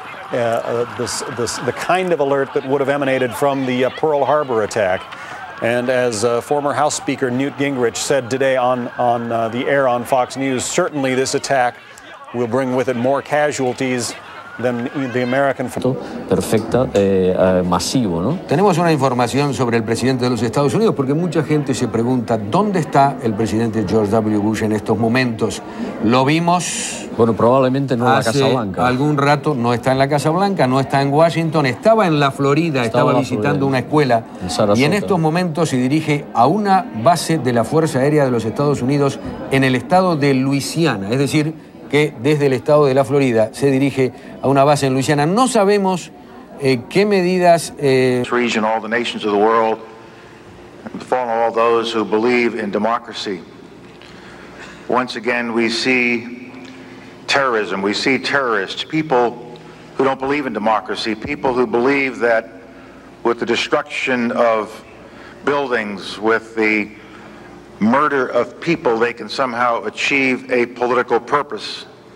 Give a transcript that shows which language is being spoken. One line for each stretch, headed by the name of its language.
English: The kind of alert that would have emanated from the Pearl Harbor attack. And as former House Speaker Newt Gingrich said today on the air on Fox News, certainly this attack will bring with it more casualties than the American.
Spanish: Perfecta, masivo, ¿no? Tenemos una información sobre el presidente de los Estados Unidos porque mucha gente se pregunta dónde está el presidente George W. Bush en estos momentos. Lo vimos. Bueno, probablemente no en la Casa Blanca. Algún rato no está en la Casa Blanca, no está en Washington, estaba en la Florida, estaba visitando una escuela. Y en estos momentos se dirige a una base de la Fuerza Aérea de los Estados Unidos en el estado de Luisiana, es decir, que desde el estado de la Florida se dirige a una base en Luisiana. No sabemos qué medidas.
English: This region, all the nations of the world, and for all those who believe in democracy. Once again, we see terrorism. We see terrorists, people who don't believe in democracy, people who believe that with the destruction of buildings, with the murder of people, they can somehow achieve a political purpose.